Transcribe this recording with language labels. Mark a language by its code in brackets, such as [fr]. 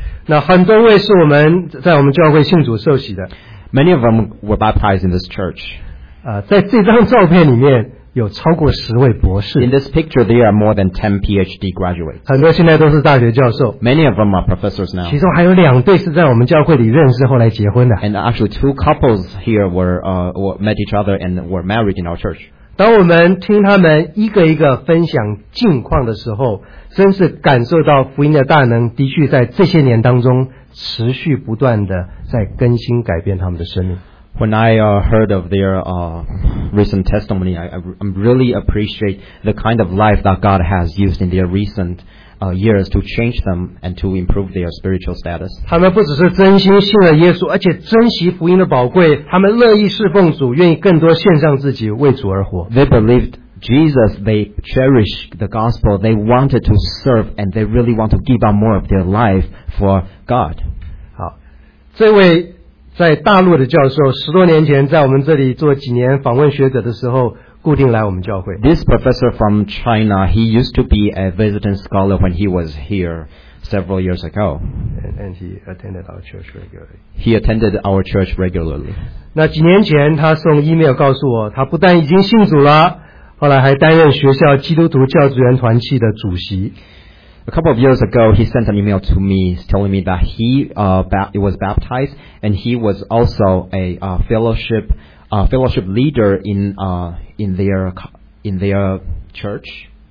[zh] 那很多位是我们在我们教会信主受洗的。 [en] Many of them were baptized in this church. [zh] 在这张照片里面有超过十位博士。 [en] In this picture, there are more than 10 PhD graduates. [zh] 很多现在都是大学教授。 [en] Many of them are professors now. [zh] 其中还有两对是在我们教会里认识后来结婚的。 [en] And actually, 2 couples here were met each other and were married in our church. [zh] 当我们听他们一个一个分享近况的时候，真是感受到福音的大能的确在这些年当中持续不断的在更新改变他们的生命。 [en] When I heard of their recent testimony, I really appreciate the kind of life that God has used in their recent years to change them and to improve their spiritual status. [zh] 他们不只是真心信了耶稣，而且珍惜福音的宝贵，他们乐意侍奉主，愿意更多献上自己为主而活。 [en] They believed Jesus, they cherish the gospel, they wanted to serve, and they really want to give up more of their life for God. [zh] 好，这位在大陆的教授十多年前在我们这里做几年访问学者的时候固定来我们教会。 [en] This professor from China, he used to be a visiting scholar when he was here several years ago. And he attended our church regularly. He attended our church regularly. [zh] 那几年前他送 email 告诉我，他不但已经信主了，后来还担任学校基督徒教职员团契的主席。 [en] A couple of years ago, he sent an email to me telling me that he was baptized and he was also a fellowship leader in their church.